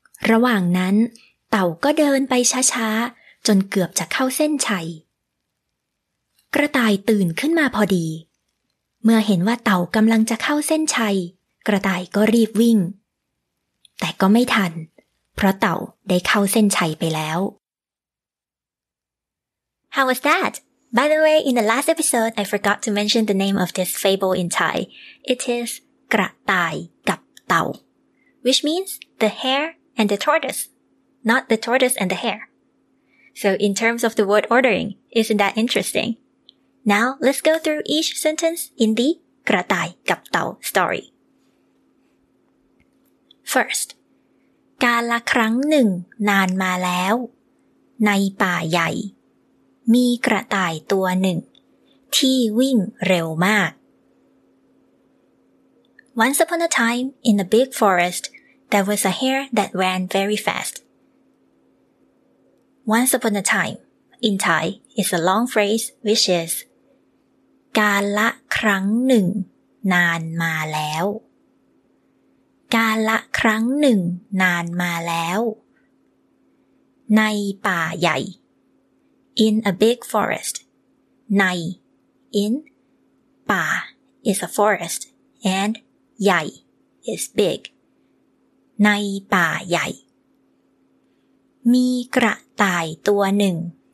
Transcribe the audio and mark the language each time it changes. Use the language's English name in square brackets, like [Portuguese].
[Thai] ระหว่างนั้นเต่าก็เดินไปช้าๆจนเกือบจะเข้าเส้นชัยกระต่ายตื่นขึ้นมาพอดีเมื่อเห็นว่าเต่ากำลังจะเข้าเส้นชัยกระต่ายก็รีบวิ่งแต่ก็ไม่ทันเพราะเต่าได้เข้าเส้นชัยไปแล้ว [English] How was thatBy the way, in the last episode, I forgot to mention the name of this fable in Thai. It is กระต่ายกับเต่า, which means the hare and the tortoise, not the tortoise and the hare. So in terms of the word ordering, isn't that interesting? Now, let's go through each sentence in the กระต่ายกับเต่า story. First, [Thai] กาลครั้งหนึ่งนานมาแล้วในป่าใหญ่มีกระต่ายตัวหนึ่งที่วิ่งเร็วมาก [English] Once upon a time, in a big forest, there was a hare that ran very fast. Once upon a time, in Thai, is a long phrase which is [Thai] กาลครั้งหนึ่งนานมาแล้วกาลครั้งหนึ่งนานมาแล้วในป่าใหญ่ [English] In a big forest, nai, in, ba is a forest, and yai is big. [Thai] Nai ba yai. Mi gra tai tua nung.